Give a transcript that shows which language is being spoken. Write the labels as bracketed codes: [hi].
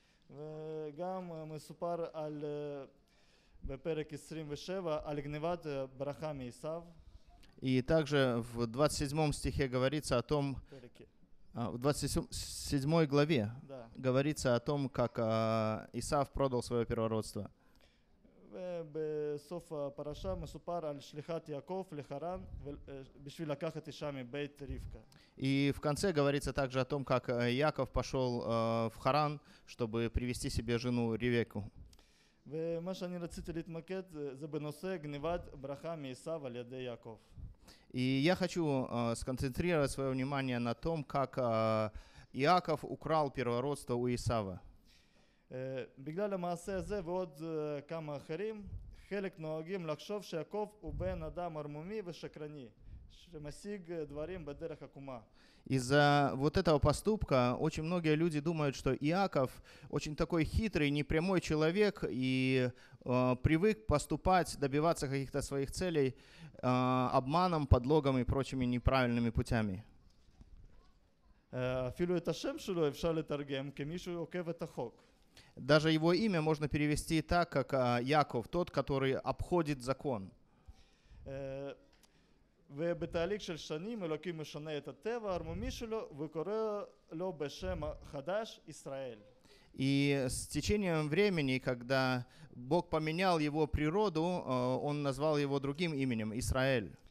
[he] וגם מסופר על בפרק 27 על גניבת ברכה מעשיו. [ru] И также в 27 стихе говорится о том, в 27 главе говорится о том, как Исав продал свое первородство. [he] ובסוף הפרשה מסופר על שליחת יעקב לחרן בשביל לקחת אישה מבית רבקה. [ru] И в конце говорится также о том, как Яков пошел в Харан, чтобы привести себе жену Ревеку. [he] ומה שאני רציתי להתמקד זה בנושא גניבת ברכה מעשיו על ידי יעקב. [ru] И я хочу сконцентрировать свое внимание на том, как Яков украл первородство у Исава. [he] בגלל המעשה הזה ועוד כמה אחרים, חלק נוהגים לחשוב שיעקב הוא בן אדם ערמומי ושקרני, שמשיג דברים בדרך עקומה. [ru] Из-за вот этого поступка очень многие люди думают, что Иаков очень такой хитрый, непрямой человек и привык поступать, добиваться каких-то своих целей обманом, подлогом и прочими неправильными путями. [he] אפילו את השם שלו אפשר לתרגם כמישהו עוקב את החוק. [ru] Даже его имя можно перевести так, как Яков, тот, который обходит закон. [he] ובתהליך של שנים אלוקים משנה את הטבע הערמומי שלו וקורא לו בשם חדש ישראל. [ru] И с течением времени, когда Бог поменял его природу, он назвал его другим именем, Израиль.